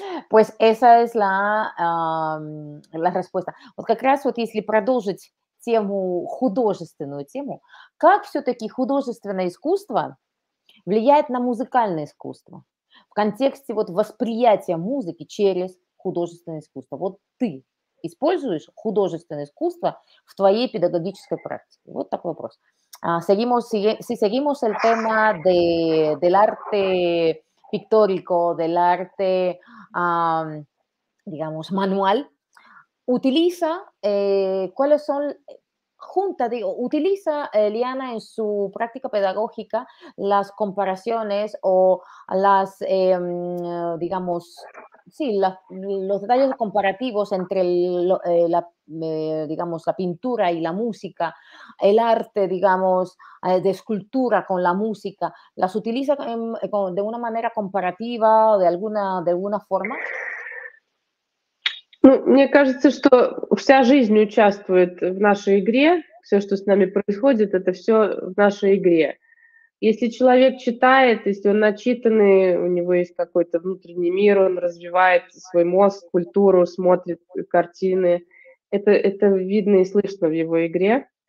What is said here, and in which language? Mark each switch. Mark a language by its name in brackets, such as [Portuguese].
[Spanish] Pues esa es la respuesta. [Russian] Вот как раз вот если продолжить тему, художественную тему, как все-таки художественное искусство влияет на музыкальное искусство в контексте вот восприятия музыки через художественное искусство? Вот ты используешь художественное искусство в твоей педагогической практике? Вот такой вопрос. [Spanish] Seguimos el tema del arte pictórico, del arte, digamos, manual. Utiliza, ¿cuáles son? Utiliza Liana en su práctica pedagógica las comparaciones o las, digamos, sí, los detalles comparativos entre la pintura y la música, el arte, digamos, de escultura con la música, ¿las utiliza de una manera comparativa o de alguna forma? [Russian] Ну, мне кажется, что вся жизнь участвует в нашей игре, все, что с нами происходит, это все в нашей игре. Если человек читает, если он начитанный, у него есть какой-то внутренний мир, он развивает свой мозг, культуру, смотрит картины, это видно и слышно в его игре.